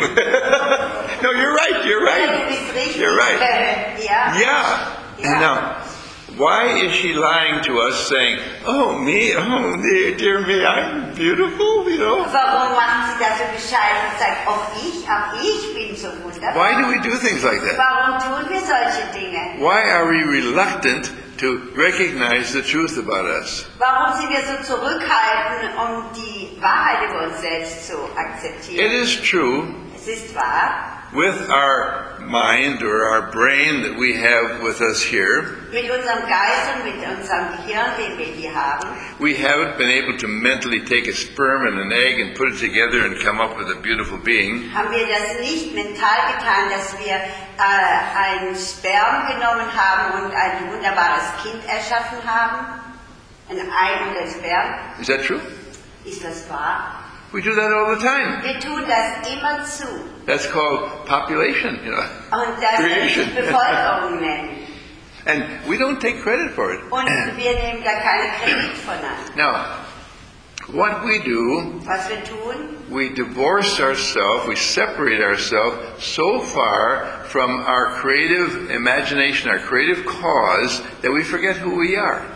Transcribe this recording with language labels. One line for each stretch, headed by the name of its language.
English: No, you're right, you're right. You're right. Yeah. And now, why is she lying to us, saying, oh, me, oh, dear me, I'm beautiful, you know?
German: Warum machen Sie das so bescheiden und sagen, auch ich bin so wunderbar?
English: Why do we do things like that?
German: Warum tun wir solche Dinge?
English: Why are we reluctant to recognize the truth about us?
German: Warum sind wir so zurückhaltend, um die Wahrheit über uns selbst zu akzeptieren?
English: It is true.
German: Es ist wahr.
English: With our mind or our brain that we have with us here,
German: mit unserem Geist und mit unserem Gehirn, den wir hier haben,
English: we haven't been able to mentally take a sperm and an egg and put it together and come up with a beautiful being.
German: Haben wir das nicht mental getan, dass wir einen Sperm genommen haben und ein wunderbares Kind erschaffen haben? Ein Ei und ein Sperm?
English: Is that true?
German: Ist das wahr?
English: We do that all the time.
German: Wir tun das immer zu.
English: That's called population, you know.
German: Und das
English: creation.
German: Bevölkerung.
English: And we don't take credit for it.
German: Und wir nehmen gar keine Kredit von uns.
English: Now, what we do,
German: was wir tun,
English: we divorce ourselves, we separate ourselves so far from our creative imagination, our creative cause, that we forget who we are.